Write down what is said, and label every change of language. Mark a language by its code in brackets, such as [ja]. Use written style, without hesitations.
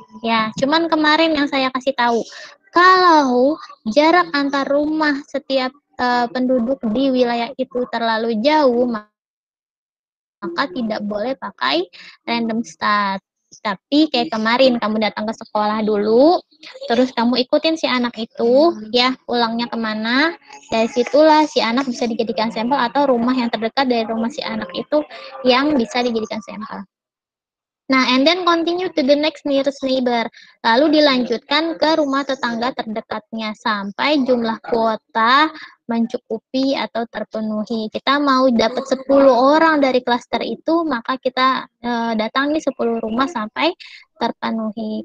[id] Ya, cuman kemarin yang saya kasih tahu, kalau jarak antar rumah setiap penduduk di wilayah itu terlalu jauh, maka tidak boleh pakai random start. Tapi kayak kemarin, kamu datang ke sekolah dulu, terus kamu ikutin si anak itu, ya, pulangnya kemana, dari situlah si anak bisa dijadikan sampel, atau rumah yang terdekat dari rumah si anak itu yang bisa dijadikan sampel. [en] Nah, and then continue to the next nearest neighbor. [id] Lalu dilanjutkan ke rumah tetangga terdekatnya sampai jumlah kuota mencukupi atau terpenuhi. Kita mau dapat 10 orang dari klaster itu, maka kita datangi 10 rumah sampai terpenuhi.